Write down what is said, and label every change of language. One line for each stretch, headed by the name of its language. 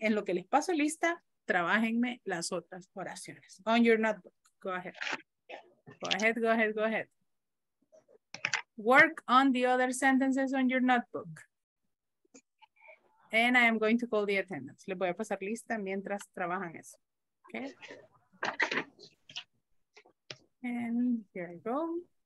Spanish: En lo que les paso lista, trabajenme las otras oraciones.
English: On your notebook, go ahead. Go ahead, go ahead, go ahead. Work on the other sentences on your notebook. And I am going to call the attendance.
Spanish: Les voy a pasar lista mientras trabajan eso, okay?
English: And here I go.